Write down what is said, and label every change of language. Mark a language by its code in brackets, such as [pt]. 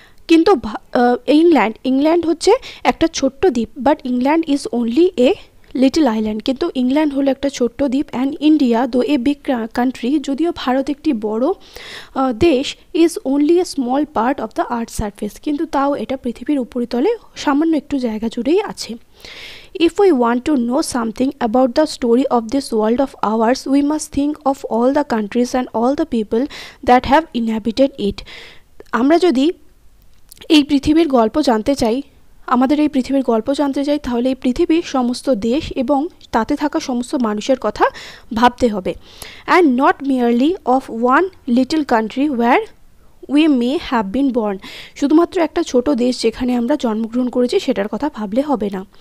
[bn] কিন্তু ইংল্যান্ড হচ্ছে একটা ছোট্ট দ্বীপ, [en] but England is only a little island, [bn] কিন্তু ইংল্যান্ড হলো একটা ছোট্ট দ্বীপ [en] and India though a big country, [bn] যদিও ভারত একটি বড় দেশ, [en] is only a small part of the earth surface, [bn] কিন্তু তাও এটা পৃথিবীর উপরিতলে সামান্য একটু জায়গা জুড়েই আছে। [en] If we want to know something about the story of this world of ours, we must think of all the countries and all the people that have inhabited it. [bn] আমরা যদি এই পৃথিবীর গল্প জানতে চাই, আমাদের এই পৃথিবীর গল্প জানতে চাই, তাহলে এই পৃথিবীর সমস্ত দেশ এবং তাতে থাকা সমস্ত মানুষের কথা ভাবতে হবে। [en] And not merely of one little country where we may have been born, [bn] শুধুমাত্র একটা ছোটো দেশ যেখানে আমরা জন্মগ্রহণ করেছি সেটার কথা ভাবলে হবে না।